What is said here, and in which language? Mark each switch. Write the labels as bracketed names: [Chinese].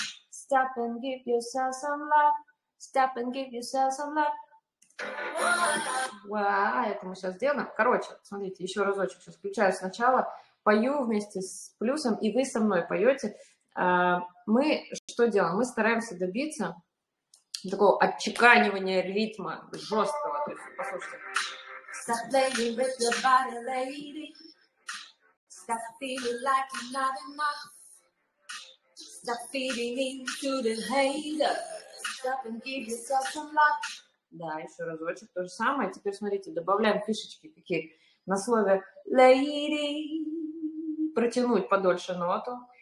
[English] Stop and give yourself some love. Stop and give yourself some love. [Russian] Это мы сейчас сделаем. Короче, смотрите, еще разочек сейчас включаю сначала. Пою вместе с плюсом, и вы со мной поете. Мы что делаем? Мы стараемся добиться такого отчеканивания ритма жесткого. То есть, послушайте. [English] Stop playing with your body, lady. Stop feeling like you're not enough. Stop feeding into the haters. Stop and give yourself some love. [Russian] Да, еще разочек то же самое. Теперь смотрите, добавляем фишечки какие на слове lady. Протянуть подольше ноту.